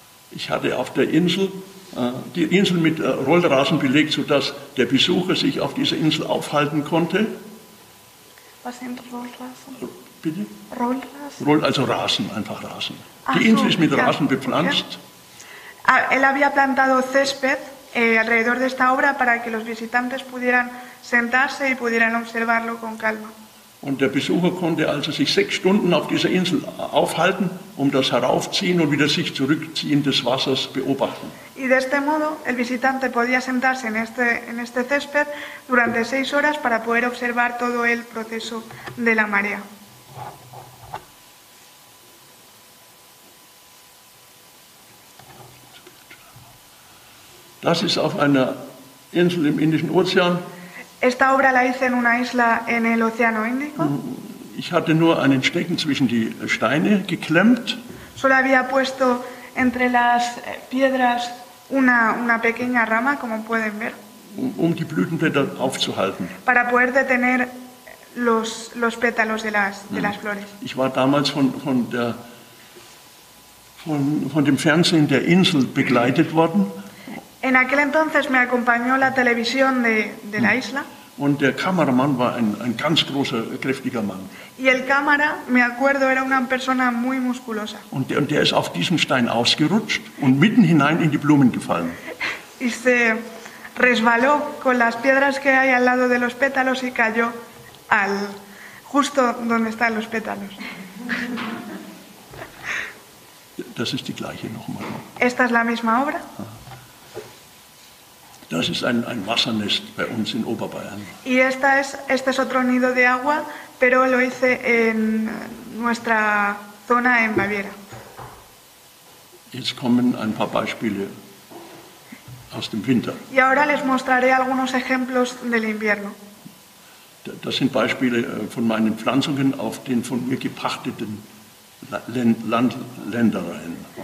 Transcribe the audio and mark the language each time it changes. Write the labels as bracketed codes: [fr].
[de] Ich hatte auf der Insel die Insel mit Rollrasen belegt, sodass der Besucher sich auf dieser Insel aufhalten konnte. Was sind Rollrasen? Bitte? Rollrasen? Also Rasen, einfach Rasen. Ach, die Insel so, ist mit ja. Rasen bepflanzt. Ja. [es] Él había plantado césped. Alrededor de esta obra para que los visitantes pudieran sentarse y pudieran observarlo con calma. [de] Und der Besucher konnte also sich 6 Stunden auf dieser Insel aufhalten, um das Heraufziehen und wieder sich Zurückziehen des Wassers beobachten. [es] Y de este modo el visitante podía sentarse en este césped durante 6 horas para poder observar todo el proceso de la marea. [de] Das ist auf einer Insel im Indischen Ozean. [es] Esta obra la hice en una isla en el Océano Índico. [de] Ich hatte nur einen Stecken zwischen die Steine geklemmt. [es] Solo había puesto entre las piedras una pequeña rama, como pueden ver. [de] Um die Blütenblätter aufzuhalten. [es] Para poder detener los pétalos de las flores. [de] Ich war damals von dem Fernsehen der Insel begleitet worden. [es] En aquel entonces me acompañó la televisión de la isla. [de] Und der Kameramann war ein ganz großer, kräftiger Mann. [es] Y el cámara, me acuerdo, era una persona muy musculosa. [de] Und der ist auf diesem Stein ausgerutscht und mitten hinein in die Blumen gefallen. [es] Y se resbaló con las piedras que hay al lado de los pétalos y cayó al justo donde están los pétalos. [de] Das ist die gleiche nochmal. [es] Esta es la misma obra. [de] Das ist ein Wassernest bei uns in Oberbayern. [es] Y este es otro nido de agua, pero lo hice en nuestra zona en Baviera. [de] Jetzt kommen ein paar Beispiele aus dem Winter. [es] Y ahora les mostraré algunos ejemplos del invierno. [de] Das sind Beispiele von meinen Pflanzungen auf den von mir gepachteten Ländereien.